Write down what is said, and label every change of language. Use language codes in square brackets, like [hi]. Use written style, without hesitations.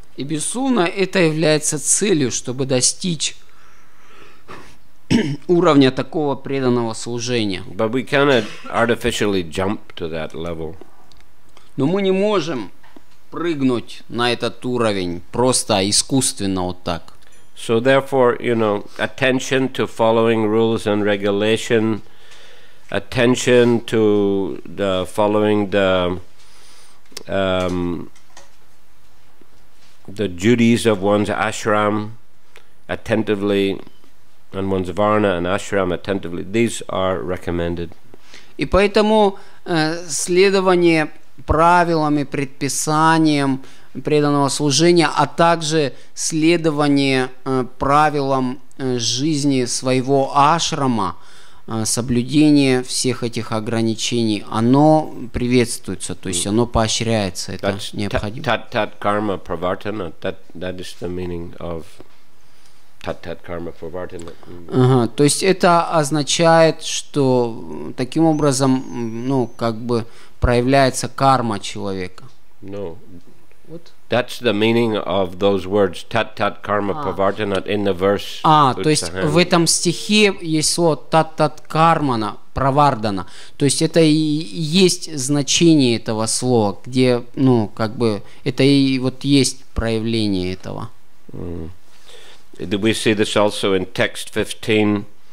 [ru] И безусловно, это является целью, чтобы достичь уровня такого преданного служения. [en] But we cannot artificially jump to that level. [ru] Но мы не можем прыгнуть на этот уровень просто искусственно вот так. [en] So therefore, you know, attention to following rules and regulation, attention to the following the duties of one's ashram attentively, and one's varna and ashram attentively, these are recommended. [ru] И поэтому следование правилам и предписаниям преданного служения, а также следование правилам жизни своего ашрама, соблюдение всех этих ограничений, оно приветствуется, то есть оно поощряется, это [en] That's [ru] необходимо. [en] Tat karma pravartana, that is the meaning of Tat karma pravartana. [ru] То есть это означает, что таким образом, ну, как бы проявляется карма человека. [en] No. What? That's the meaning of those words tat karma pravartana in the verse. [ru] А, то есть в этом стихе есть слово tat кармана правардана. То есть это и есть значение этого слова, где, ну, как бы это и вот есть проявление этого. [en] We see this also in text 15.